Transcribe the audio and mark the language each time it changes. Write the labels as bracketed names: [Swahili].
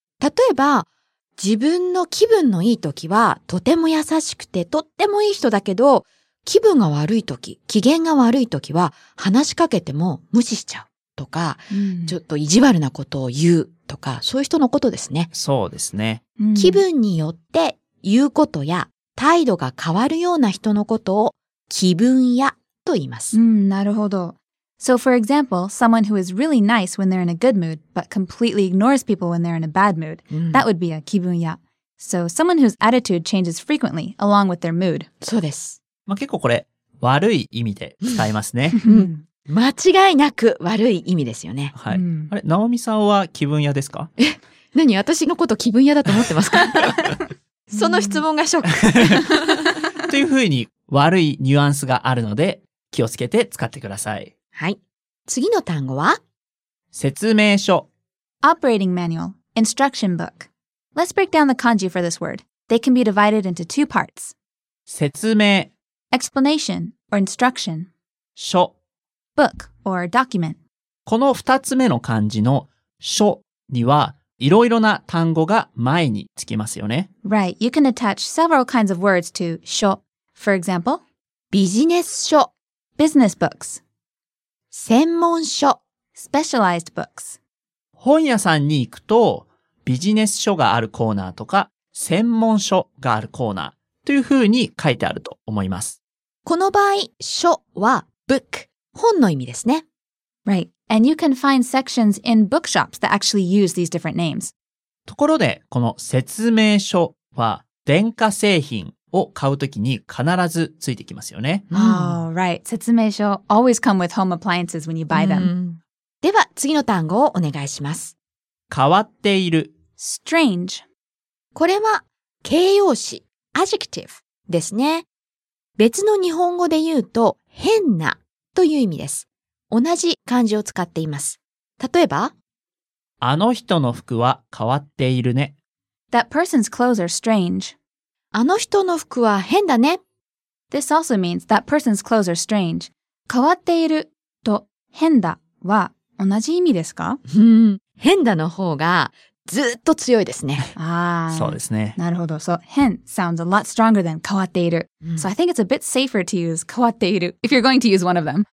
[Japanese] 例えば、自分の気分のいい時はとても優しくてとってもいい人だけど、気分が悪い時、機嫌が悪い時は話しかけても無視しちゃうとか、ちょっと意地悪なことを言うとか、そういう人のことですね。そうですね。気分によって言うことや態度が変わるような人のことを気分屋と言います。うん、なるほど。 [English] So for example, someone who is really nice when they're in a good mood, but completely ignores people when they're in a bad mood, that would be a 気分屋。 So someone whose attitude changes frequently along with their mood. [Japanese] そうです。まあ、結構これ悪い意味で使いますね。間違いなく悪い意味ですよね。はい。あれ、ナオミさんは気分屋ですか？え、何？私のこと気分屋だと思ってますか？その質問がショック。というふうに悪いニュアンスがあるので気をつけて使ってください。はい。次の単語は？説明書。 [English] Operating manual, instruction book. Let's break down the kanji for this word. They can be divided into two parts. [Japanese] 説明。 [English] Explanation or instruction. [Japanese] 書。 [English] Book or document. [Japanese] この二つ目の漢字の書にはいろいろな単語が前につきますよね。 [English] Right. You can attach several kinds of words to 書。 For example, [Japanese] ビジネス書。 [English] Business books. [Japanese] 専門書。 [English] Specialized books. [Japanese] 本屋さんに行くとビジネス書があるコーナーとか専門書があるコーナー。というふうに書いてあると思います。この場合、書は book、本の意味ですね。 [English] Right. And you can find sections in bookshops that actually use these different names. [Japanese] ところで、この説明書は電化製品を買うときに必ずついてきますよね。 [English] Oh, right. 説明書 always come with home appliances when you buy them. [Japanese] では、次の単語をお願いします。変わっている。 [English] Strange. [Japanese] これは形容詞。Adjective ですね。別の日本語で言うと変なという意味です。同じ漢字を使っています。例えば、あの人の服は変わっているね。 [English] That person's clothes are strange. [Japanese] あの人の服は変だね。 [English] This also means that person's clothes are strange. [Japanese] 変わっていると変だは同じ意味ですか？変だの方がずっと強いですね。ああ。そうですね。なるほど。 [English] So, 変 sounds a lot stronger than 変わっている。 So, I think it's a bit safer to use 変わっている if you're going to use one of them.